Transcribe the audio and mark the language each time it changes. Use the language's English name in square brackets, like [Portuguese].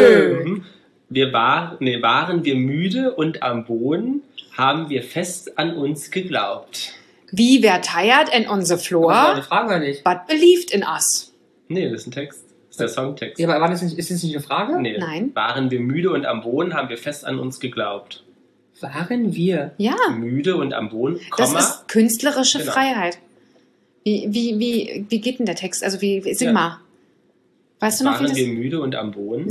[German] Waren wir müde und am Boden, haben wir fest an uns geglaubt. [English] We were tired and on the floor, but believed in us. [German] Nee, das ist ein Text. Der Songtext. Ja, aber ist das nicht eine Frage? Nee. Nein. Waren wir müde und am Boden, haben wir fest an uns geglaubt. Waren wir müde und am Boden? Das ist künstlerische Freiheit. Wie geht denn der Text? Also wie sing mal. Weißt du noch, waren wir müde und am Boden?